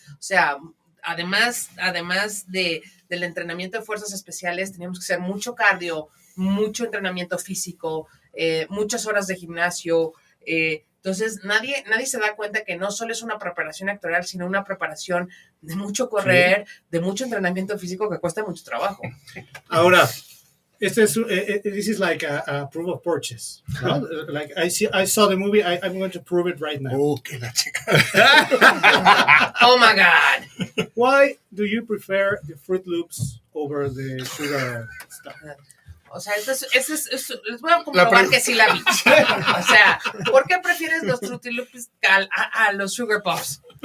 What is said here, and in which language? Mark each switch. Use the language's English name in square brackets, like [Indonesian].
[Spanish] O sea, además del entrenamiento de fuerzas especiales, teníamos que hacer mucho cardio, mucho entrenamiento físico, muchas horas de gimnasio. Entonces, nadie se da cuenta que no solo es una preparación actoral, sino una preparación de mucho correr, de mucho entrenamiento físico que cuesta mucho trabajo. Ahora, este es, [English] this is like a proof of purchase. Right? Like, I saw the movie, I'm going to prove it right now. [Spanish] Oh, qué la chica. [English] Oh, my God. Why do you prefer the Fruit Loops over the sugar stuff? [Spanish] O sea, eso es, les voy a comprobar que sí la vi. O sea, ¿por qué prefieres los Fruity Loops a los Sugar Puffs?